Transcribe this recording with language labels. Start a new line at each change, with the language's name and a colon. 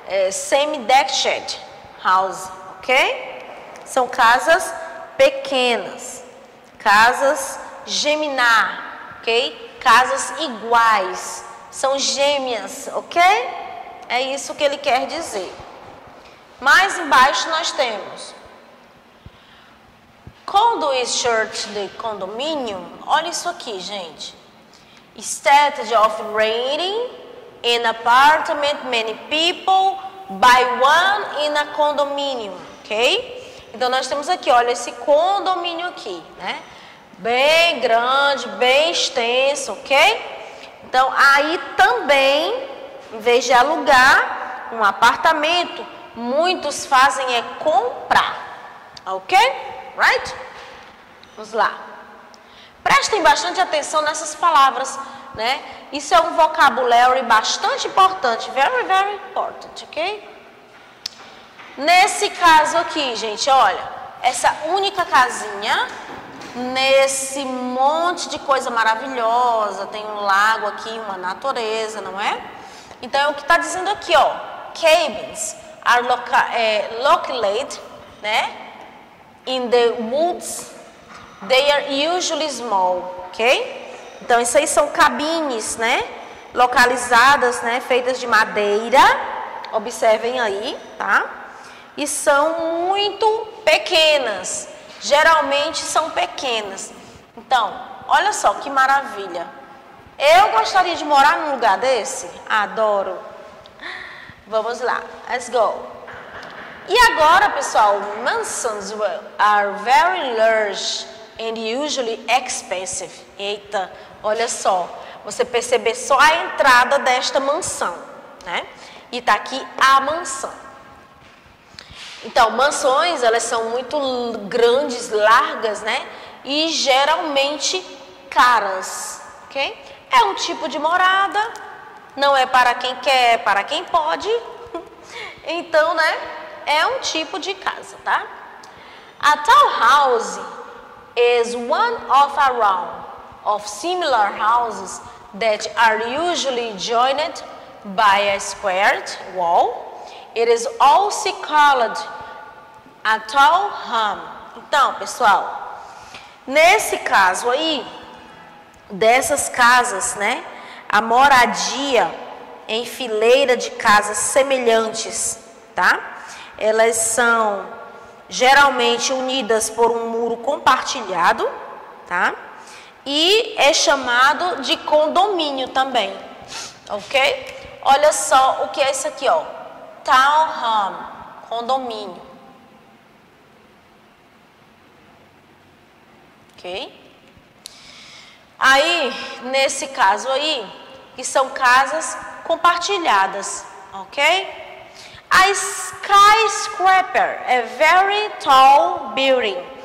English: Semi-detached house, ok?
Portuguese: São casas pequenas, casas geminar, ok? Casas iguais, são gêmeas, ok? É isso que ele quer dizer. Mais embaixo nós temos...
English: Condo is short the condominium.
Portuguese: Olha isso aqui, gente.
English: Instead of renting an apartment, many people buy one in a condominium, ok?
Portuguese: Então, nós temos aqui, olha esse condomínio aqui, né? Bem grande, bem extenso, ok? Então, aí também, em vez de alugar um apartamento, muitos fazem é comprar, ok? Right? Vamos lá. Prestem bastante atenção nessas palavras, né? Isso é um vocabulário bastante importante.
English: Very, very important, ok?
Portuguese: Nesse caso aqui, gente, olha. Essa única casinha, nesse monte de coisa maravilhosa. Tem um lago aqui, uma natureza, não é? Então, é o que está dizendo aqui, ó.
English: Cabins are located, né? In the woods, they are usually small, ok?
Portuguese: Então, isso aí são cabines, né? Localizadas, né? Feitas de madeira. Observem aí, tá? E são muito pequenas. Geralmente, são pequenas. Então, olha só que maravilha. Eu gostaria de morar num lugar desse? Adoro. Vamos lá.
English: Let's go.
Portuguese: E agora, pessoal,
English: mansions are very large and usually expensive.
Portuguese: Eita, olha só. Você perceber só a entrada desta mansão, né? E tá aqui a mansão. Então, mansões, elas são muito grandes, largas, né? E geralmente caras, ok? É um tipo de morada, não é para quem quer, é para quem pode. Então, né? É um tipo de casa, tá?
English: A townhouse is one of a row of similar houses that are usually joined by a squared wall. It is also called a townhome.
Portuguese: Então, pessoal, nesse caso aí, dessas casas, né? A moradia em fileira de casas semelhantes, tá? Elas são geralmente unidas por um muro compartilhado, tá? E é chamado de condomínio também, ok? Olha só o que é isso aqui, ó. Townhome, condomínio. Ok? Aí, nesse caso aí, que são casas compartilhadas, ok?
English: A skyscraper, a very tall building.